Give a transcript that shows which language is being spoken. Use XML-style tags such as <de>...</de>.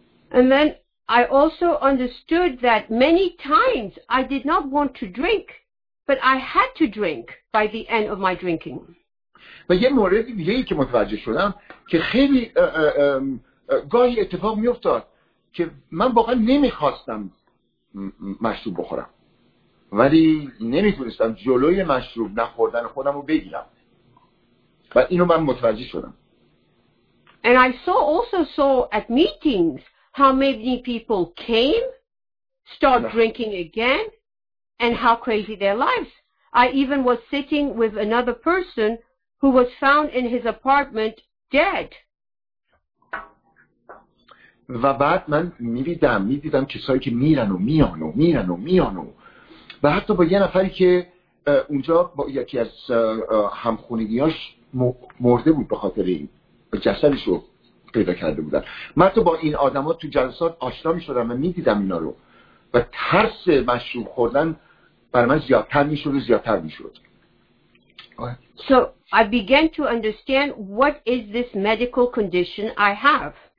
<en>And then I also understood that many times I did not want to drink, but I had to drink by the end of my drinking.</en> <fa>و یه مورد دیگه ای که متوجه شدم که خیلی گاهی اتفاق می افتاد که من واقعا نمیخواستم مشروب بخورم ولی نمیتونستم جلوی مشروب نخوردن خودم رو بگیرم و اینو من متوجه شدم.</fa> <en>And I also saw at meetings how many people came, start drinking again, and how crazy their lives. I even was sitting with another person who was found in his apartment dead.</en> <fa>و بعد من می‌دیدم کسایی که میرن و میان و و حتی با یه نفری که اونجا با یکی از همخونگی‌هاش مرده بود به خاطر این جسدش رو پیدا کرده بودن. من تو با این آدم ها تو جلسات آشنا می شدم و می دیدم اینا رو و ترس مشروب خوردن بر من زیادتر می شد و زیادتر می شد.</fa> <en>So I began to understand what is this medical condition I have.</en>